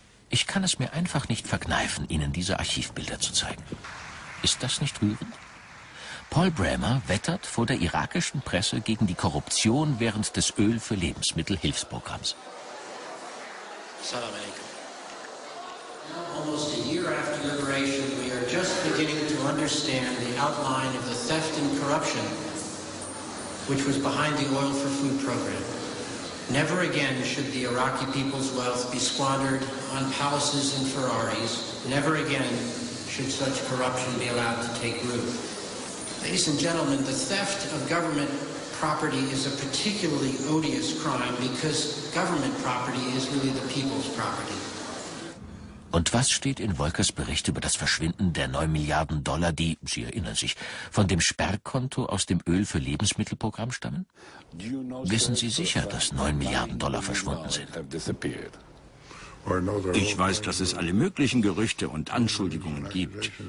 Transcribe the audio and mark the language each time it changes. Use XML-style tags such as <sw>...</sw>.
<de>Ich kann es mir einfach nicht verkneifen, Ihnen diese Archivbilder zu zeigen. Ist das nicht rührend? Paul Bremer wettert vor der irakischen Presse gegen die Korruption während des Öl für Lebensmittelhilfsprogramms.</de> <en>Almost a year after liberation, we are just beginning to understand the outline of the theft and corruption which was behind the Oil for Food program. Never again should the Iraqi people's wealth be squandered on palaces and Ferraris. Never again should such corruption be allowed to take root. Ladies and gentlemen, the theft of government property is a particularly odious crime because government property is really the people's property.</en> <de>Und was steht in Volkers Bericht über das Verschwinden der 9 Milliarden Dollar, die, Sie erinnern sich, von dem Sperrkonto aus dem Öl für Lebensmittelprogramm stammen? Wissen Sie sicher, dass 9 Milliarden Dollar verschwunden sind? Ich weiß, dass es alle möglichen Gerüchte und Anschuldigungen gibt.</de>